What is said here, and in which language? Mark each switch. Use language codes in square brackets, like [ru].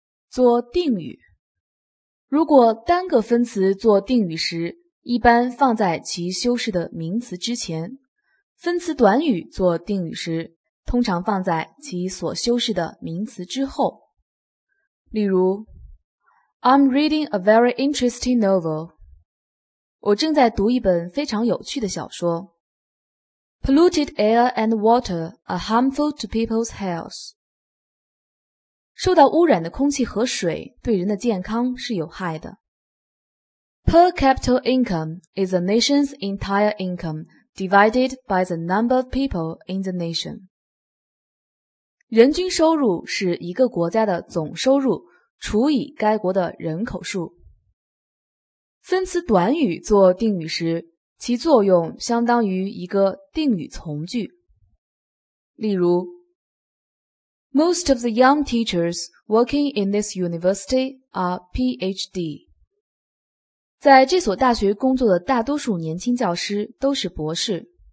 [zh] 做定语，如果单个分词做定语时，一般放在其修饰的名词之前，分词短语做定语时，通常放在其所修饰的名词之后。例如， [en] I'm reading a very interesting novel. [zh] 我正在读一本非常有趣的小说。 [en] Polluted air and water are harmful to people's health. [zh] 受到污染的空气和水对人的健康是有害的。 [en] Per capita income is a nation's entire income divided by the number of people in the nation. [zh] 人均收入是一个国家的总收入除以该国的人口数。分词短语做定语时，其作用相当于一个定语从句。例如， [en] Most of the young teachers working in this university are PhD. [zh] 在这所大学工作的大多数年轻教师都是博士。